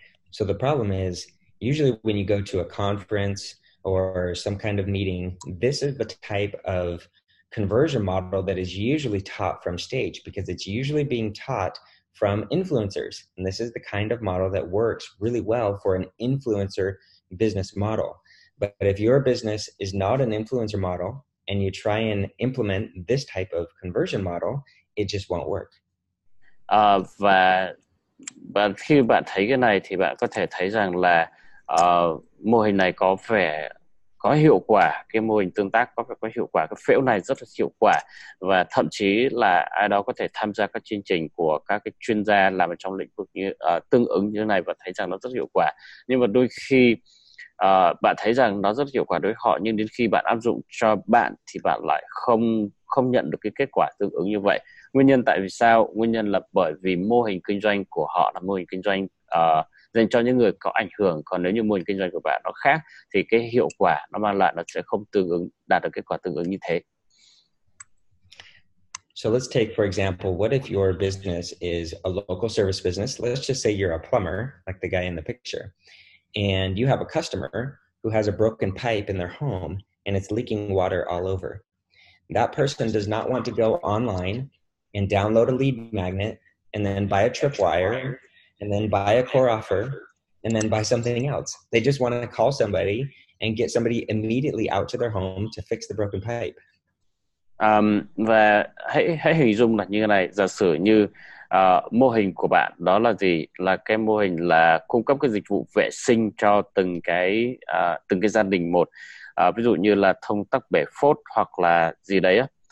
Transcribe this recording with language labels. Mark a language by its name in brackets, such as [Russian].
[English] So the problem is, usually when you go to a conference or some kind of meeting, this is the type of conversion model that is usually taught from stage, because it's usually being taught from influencers. And this is the kind of model that works really well for an influencer business model. But if your business is not an influencer model, and you try and implement this type of conversion model, it just won't work. [Vietnamese] Và khi bạn thấy cái này thì bạn có thể thấy rằng là mô hình này có vẻ có hiệu quả, cái mô hình tương tác có hiệu quả, cái phễu này rất là hiệu quả, và thậm chí là ai đó có thể tham gia các chương trình của các cái chuyên gia làm trong lĩnh vực như tương ứng như này và thấy rằng nó rất hiệu quả. Nhưng mà đôi khi bạn thấy rằng nó rất hiệu quả đối với họ, nhưng đến khi bạn áp dụng cho bạn thì bạn lại không nhận được cái kết quả tương ứng như vậy. Nguyên nhân tại vì sao? Nguyên nhân là bởi vì mô hình kinh doanh của họ là mô hình kinh doanh dành cho những người có ảnh hưởng, còn nếu như mô hình kinh doanh của bạn nó khác thì cái hiệu quả nó mang lại nó sẽ không tương ứng, đạt được kết quả tương ứng như thế. [English] So let's take for example, what if your business is a local service business? Let's just say you're a plumber, like the guy in the picture. And you have a customer who has a broken pipe in their home and it's leaking water all over. That person does not want to go online and download a lead magnet and then buy a tripwire and then buy a core offer and then buy something else. They just want to call somebody and get somebody immediately out to their home to fix the broken pipe. [Vietnamese] Và hãy hình dung là như này, giả sử như mô hình của bạn đó là gì? Là cái mô hình là cung cấp cái dịch vụ vệ sinh cho từng cái gia đình một, ví dụ như là thông tắc bể phốt hoặc là gì đấy á.